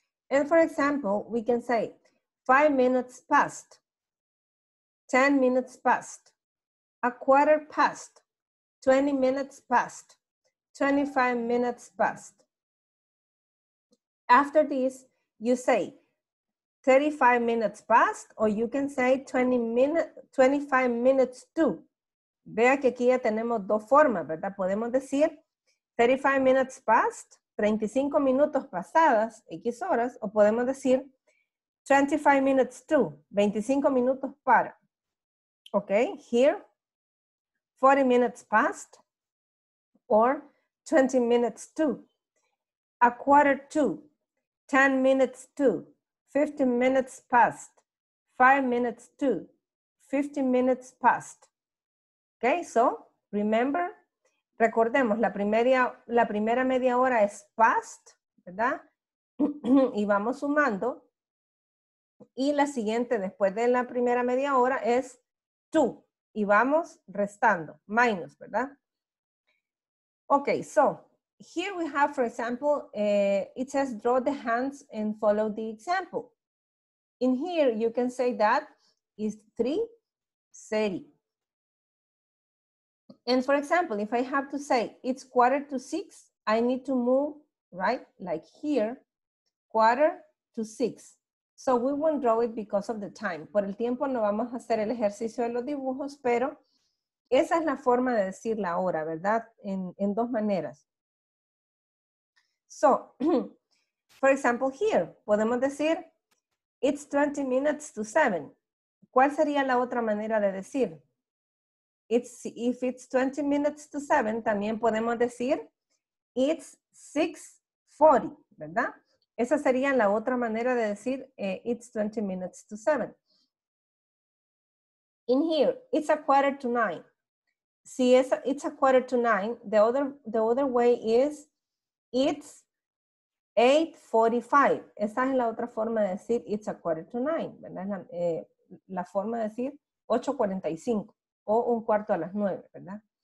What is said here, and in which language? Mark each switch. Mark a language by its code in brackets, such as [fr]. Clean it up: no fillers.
[en] And for example, we can say 5 minutes past, 10 minutes past, a quarter past, 20 minutes past, 25 minutes past. After this, you say 35 minutes past, or you can say 25 minutes to. [es] Vea que aquí ya tenemos dos formas, ¿verdad? Podemos decir [en] 35 minutes past, [es] 35 minutos pasadas, X horas, o podemos decir [en] 25 minutes to, [es] 25 minutos para. [en] Okay, here, 40 minutes past, or 20 minutes to, a quarter to, 10 minutes to, 15 minutes past, 5 minutes to, 15 minutes past. Okay, so remember, [es] recordemos, la primera media hora es past, ¿verdad? Y vamos sumando. Y la siguiente, después de la primera media hora, es to. Y vamos restando, minus, ¿verdad? [en] Okay, so here we have, for example, it says draw the hands and follow the example. In here, you can say that is 3:30. And for example, if I have to say it's 5:45, I need to move, right? Like here, 5:45. So we won't draw it because of the time. [es] Por el tiempo no vamos a hacer el ejercicio de los dibujos, pero esa es la forma de decir la hora, ¿verdad? En dos maneras. [en] So, for example, here, [es] podemos decir, [en] it's 20 minutes to 7. [es] ¿Cuál sería la otra manera de decir? [en] If it's 20 minutes to 7, [es] también podemos decir, [en] it's 6:40, [es] ¿verdad? Esa sería la otra manera de decir, [en] it's 20 minutes to 7. In here, it's 8:45. [es] Si es, [en] it's 8:45, the other way is, it's 8:45. [es] Esa es la otra forma de decir, [en] it's 8:45, [es] ¿verdad? Es la forma de decir 8:45 o un cuarto a las 9, ¿verdad?